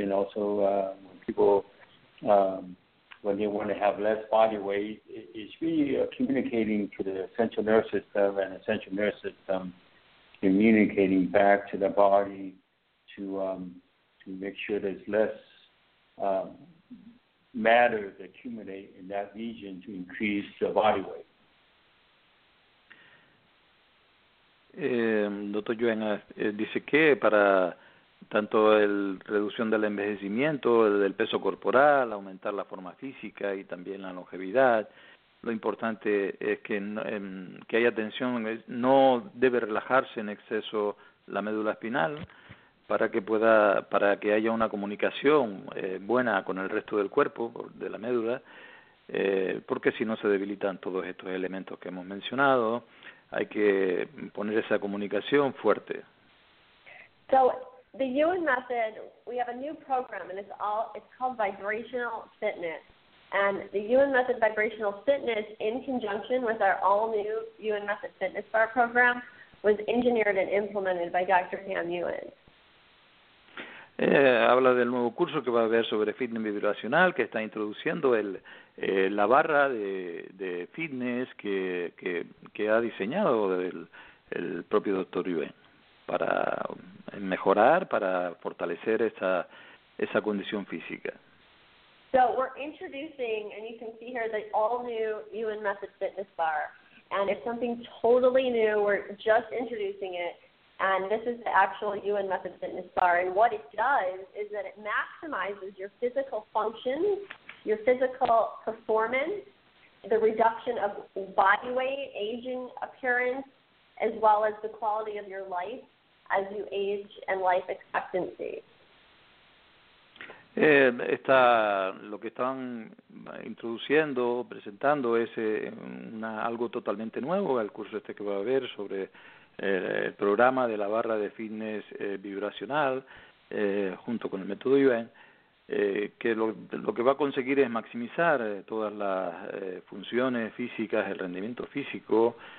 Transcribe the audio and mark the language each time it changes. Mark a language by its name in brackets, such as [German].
[English] And also when people, when they want to have less body weight, it's really communicating to the central nervous system, and the central nervous system communicating back to the body to make sure there's less matter to accumulate in that region to increase the body weight. [Spanish] Dr. Yuen dice que para tanto el reducción del envejecimiento, del peso corporal, aumentar la forma física y también la longevidad, lo importante es que haya tensión, no debe relajarse en exceso la médula espinal para que haya una comunicación buena con el resto del cuerpo, de la médula, porque si no se debilitan todos estos elementos que hemos mencionado, hay que poner esa comunicación fuerte. [English] The Yuen Method, we have a new program, and it's called Vibrational Fitness. And the Yuen Method Vibrational Fitness, in conjunction with our all-new Yuen Method Fitness Bar program, was engineered and implemented by Dr. Pam Yuen. [Spanish] Habla del nuevo curso que va a haber sobre fitness vibracional, que está introduciendo la barra de fitness que ha diseñado el propio Dr. Yuen. Para mejorar, para fortalecer esa condición física. [English] So we're introducing, and you can see here, the all-new Yuen Method Fitness Bar. And it's something totally new. We're just introducing it. And this is the actual Yuen Method Fitness Bar. And what it does is that it maximizes your physical function, your physical performance, the reduction of body weight, aging appearance, as well as the quality of your life as you age and life expectancy. [Spanish] Está lo que están introduciendo, presentando es algo totalmente nuevo, el curso este que va a haber sobre el programa de la barra de fitness vibracional junto con el método Yuen, que lo que va a conseguir es maximizar todas las funciones físicas, el rendimiento físico,